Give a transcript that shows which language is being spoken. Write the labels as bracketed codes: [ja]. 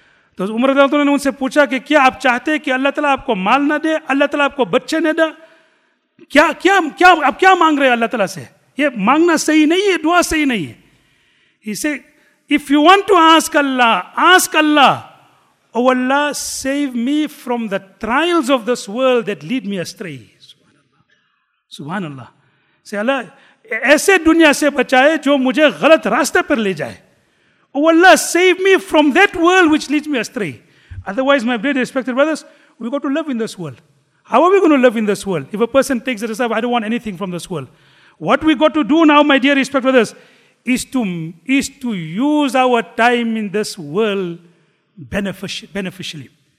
[hi] तो उमर रज़ियल्लाहु अन्हु ने उनसे पूछा कि क्या आप चाहते हैं कि अल्लाह ताला आपको माल ना दे, अल्लाह ताला आपको बच्चे ना दे, क्या क्या क्या आप क्या मांग रहे हैं अल्लाह ताला से? ये मांगना सही नहीं है, दुआ सही नहीं है. [en] He said, if you want to ask Allah, oh Allah, save me from the trials of this world that lead me astray. Subhanallah. [hi] Say Allah, ऐसे दुनिया से बचाए जो मुझे गलत रास्ते पर ले जाए. [en] Oh Allah, save me from that world which leads me astray. Otherwise, my dear respected brothers, we've got to live in this world. How are we going to live in this world? If a person takes it aside, I don't want anything from this world. What we got to do now, my dear respected brothers, is to use our time in this world beneficially.